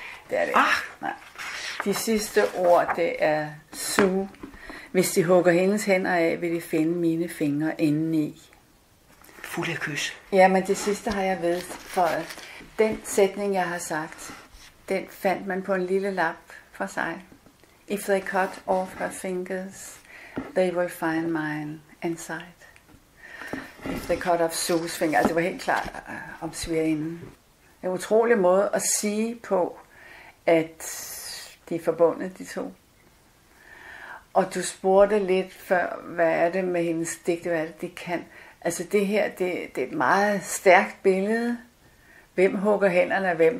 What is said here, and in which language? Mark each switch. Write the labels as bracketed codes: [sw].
[da] Det er det. De sidste ord, det er Sue. Hvis de hugger hendes hænder af, vil de finde mine fingre indeni. Fuld af kys. Ja, men det sidste har jeg ved, for den sætning, jeg har sagt, den fandt man på en lille lap for sig. [en] If they cut off her fingers, they will find mine inside. If they cut off Sue's fingers, [da] det var helt klart om svigerinden. En utrolig måde at sige på, at de er forbundet, de to. Og du spurgte lidt før, hvad er det med hendes digte, hvad er det, de kan. Altså det her, det er et meget stærkt billede. Hvem hugger hænderne af hvem?